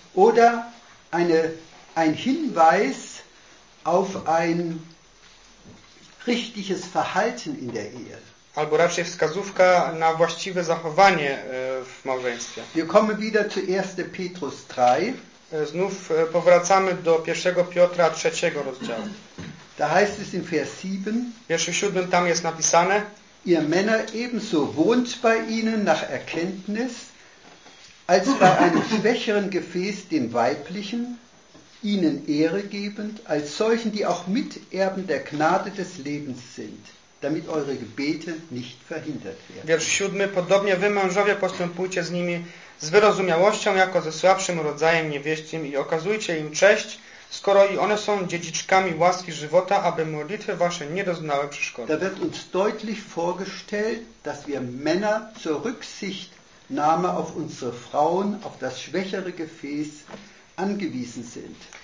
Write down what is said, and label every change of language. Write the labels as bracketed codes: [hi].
[de] Oder ein Hinweis auf ein richtiges Verhalten in der Ehe. [pl] Albo raczej wskazówka na właściwe zachowanie w małżeństwie. [de] Wir kommen wieder zu 1. Petrus 3. [pl] Znów powracamy do 1. Piotra 3 rozdziału. [de] Da heißt es in Vers 7. [pl] W wierszu 7 tam jest napisane: [de] Ihr Männer ebenso wohnt bei ihnen nach Erkenntnis, als bei einem schwächeren Gefäß dem Weiblichen, ihnen Ehre gebend, als solchen, die auch Miterben der Gnade des Lebens sind, damit eure Gebete nicht verhindert werden. [pl] Wiersz 7. Podobnie wy, mężowie, postępujcie z nimi z wyrozumiałością, jako ze słabszym rodzajem niewieścim i okazujcie im cześć, skoro i one są dziedziczkami łaski żywota, aby modlitwy wasze nie doznały przeszkody. [de] Da wird uns deutlich vorgestellt, dass wir Männer zur Rücksicht Name auf unsere Frauen, auf das schwächere Gefäß angewiesen sind.